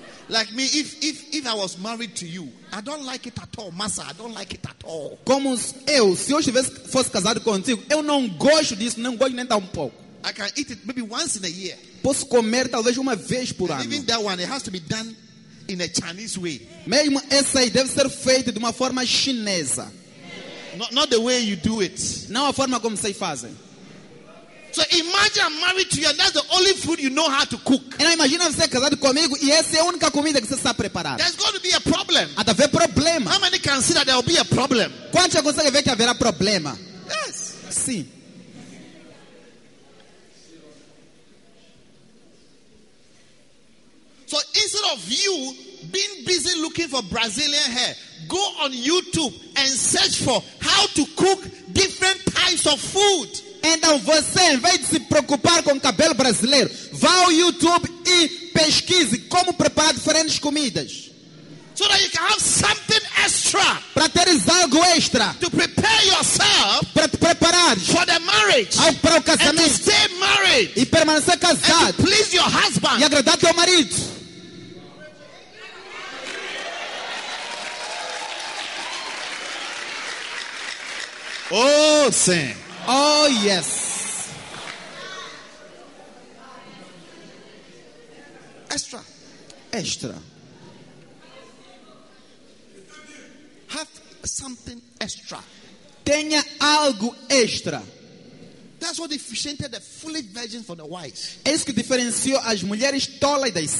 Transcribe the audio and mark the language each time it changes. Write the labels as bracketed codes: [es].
[en] Like me, if I was married to you, I don't like it at all, massa, I don't like it at all. [pt] Como eu, se eu fosse casado contigo, eu não gosto disso, não gosto nem de um pouco. [en] I can eat it maybe once in a year. [pt] Posso comer talvez uma vez por [en] and [pt] ano. [en] Even that one, it has to be done in a Chinese way. [pt] Mesmo essa aí deve ser feita de uma forma chinesa. [en] Not the way you do it. [pt] Não a forma como vocês fazem. [en] So imagine I'm married to you and that's the only food you know how to cook. [pt] Então imagina você casado comigo e essa é a única comida que você sabe preparar. [en] There's going to be a problem. [pt] Há de haver problema. [en] How many can see that there will be a problem? [pt] Quantos já conseguem ver que haverá problema? [en] Yes. [pt] Sim. [en] So instead of you being busy looking for Brazilian hair, go on YouTube and search for how to cook different types of food. [pt] Então você, em vez de se preocupar com cabelo brasileiro, vá ao YouTube e pesquise como preparar diferentes comidas. [en] So that you can have something extra. [pt] Para teres algo extra. [en] To prepare yourself. [pt] Para te preparar. [en] For the marriage. [pt] Para o casamento. [en] And to stay married. [pt] E permanecer casado. [en] And to please your husband. [pt] E agradar teu marido. Oh, sim. [en] Oh, yes. Extra. [pt] Extra. [en] Have something extra. [pt] Tenha algo extra. [en] That's what differentiated the foolish virgins from the wise. [pt] É isso que diferenciou as mulheres tolas das sábias.